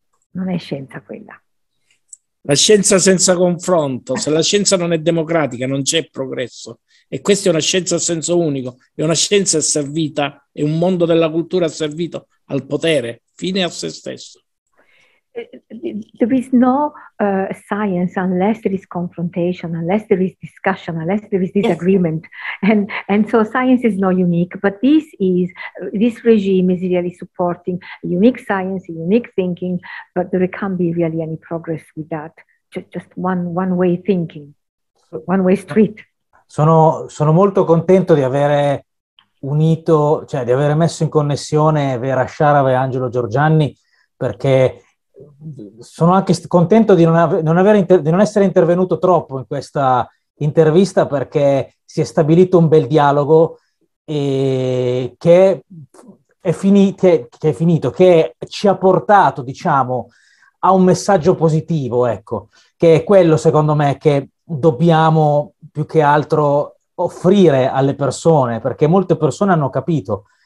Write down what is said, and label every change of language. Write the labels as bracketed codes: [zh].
[it] Non è scienza quella. La scienza senza confronto. Se la scienza non è democratica non c'è progresso. E questa è una scienza a senso unico. È una scienza asservita, è un mondo della cultura asservito al potere, fine a se stesso. [en] There is no science unless there is confrontation, unless there is discussion, unless there is disagreement. Yes. And so science is not unique, but this regime is really supporting unique science, unique thinking, but there can't be really any progress with that. Just one way thinking, one way street. [it] Sono molto contento di avere unito, cioè di avere messo in connessione Vera Sharav e Angelo Giorgianni, perché sono anche contento di non essere intervenuto troppo in questa intervista, perché si è stabilito un bel dialogo e che ci ha portato, diciamo, a un messaggio positivo, ecco, che è quello, secondo me, che dobbiamo più che altro offrire alle persone, perché molte persone hanno capito.